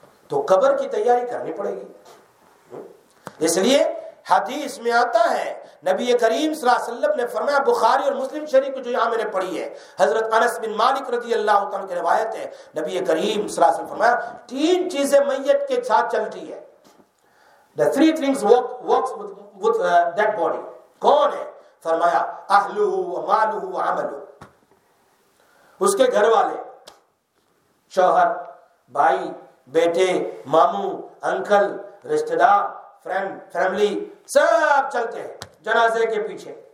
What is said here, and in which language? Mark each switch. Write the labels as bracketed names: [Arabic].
[Urdu] تو قبر کی تیاری کرنی پڑے گی. اس لیے حدیث میں آتا ہے نبی کریم صلی اللہ علیہ وسلم نے فرمایا, بخاری اور مسلم شریف کو جو یہاں میں نے پڑھی ہے, حضرت انس بن مالک رضی اللہ عنہ کی روایت ہے, نبی کریم صلی اللہ علیہ وسلم فرمایا تین چیزیں میت کے ساتھ چلتی ہے. [English] The three things works with that body. [Urdu] کون ہے؟ فرمایا [Arabic] اہلہ و مالہ و عملہ, [Urdu] اس کے گھر والے, شوہر, بھائی, بیٹے, ماموں, انکل, رشتہ دار, فرینڈ, فیملی, سب چلتے ہیں جنازے کے پیچھے.